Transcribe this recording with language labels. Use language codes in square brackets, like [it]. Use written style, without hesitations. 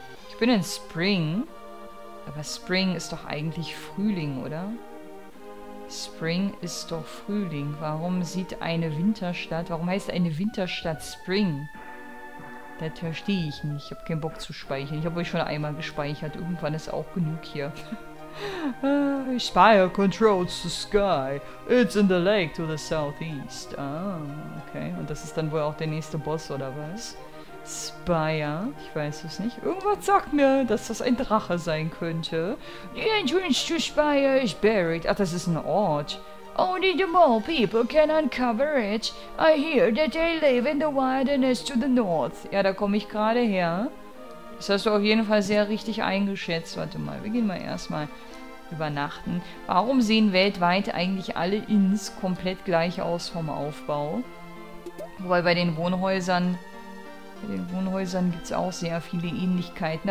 [de] Ich bin in Spring. Aber Spring ist doch eigentlich Frühling, oder? Spring ist doch Frühling. Warum sieht eine Winterstadt... Warum heißt eine Winterstadt Spring? Das verstehe ich nicht. Ich habe keinen Bock zu speichern. Ich habe euch schon einmal gespeichert. Irgendwann ist auch genug hier. [en] Spire controls the sky. It's in the lake to the southeast. Ah, okay. [de] Und das ist dann wohl auch der nächste Boss, oder was? Spire? Ich weiß es nicht. Irgendwas sagt mir, dass das ein Drache sein könnte. [en] The entrance to Spire is buried. [de] Ach, das ist ein Ort. [en] Only the mole people can uncover it. I hear that they live in the wilderness to the north. [de] Ja, da komme ich gerade her. Das hast du auf jeden Fall sehr richtig eingeschätzt. Warte mal, wir gehen mal erstmal übernachten. Warum sehen weltweit eigentlich alle Inns komplett gleich aus vom Aufbau? Wobei bei den Wohnhäusern gibt es auch sehr viele Ähnlichkeiten.